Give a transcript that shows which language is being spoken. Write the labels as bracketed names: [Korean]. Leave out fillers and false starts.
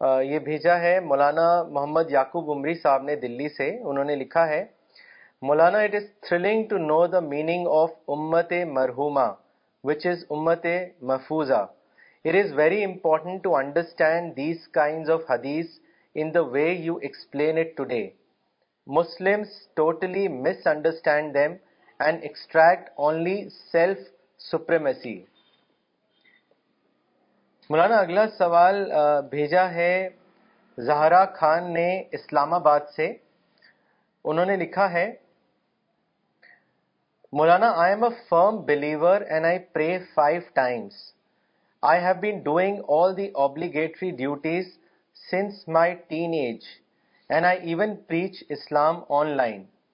[Urdu] یہ بھیجا ہے مولانا محمد یعقوب عمری صاحب نے دلی سے. انہوں نے لکھا ہے, [English] Maulana it is thrilling to know the meaning of امت مرحومہ which is امت محفوظہ. It is very important to understand these kinds of حدیث in the way you explain it today. Muslims totally misunderstand them and extract only self-supremacy. [Urdu] مولانا اگلا سوال بھیجا ہے زہرا خان نے اسلام آباد سے. انہوں نے لکھا ہے, [English] Maulana I am a firm believer and I pray 5 times. I have been doing all the obligatory duties since my teenage and I even preach Islam online.